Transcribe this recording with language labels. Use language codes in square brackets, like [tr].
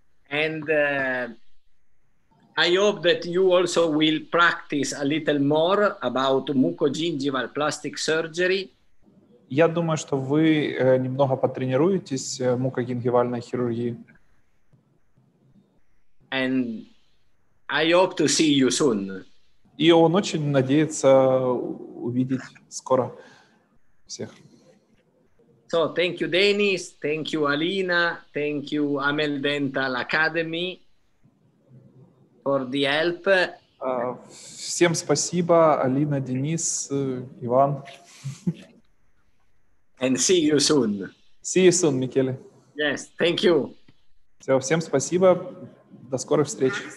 [en] And I hope that you also will practice a little more about mucogingival plastic surgery. [ru] Я думаю, что вы немного потренируетесь в мукогингивальной хирургии. [en] And I hope to see you soon. [ru] И он очень надеется увидеть скоро всех. [en] So, thank you, Denis. Thank you, Alina. Thank you, Amel Dental Academy, for the help. [ru] Всем спасибо, Алина, Денис, Иван. [en] And see you soon. See you soon, Микеле. Yes, thank you. [ru] Все, всем спасибо. До скорых встреч.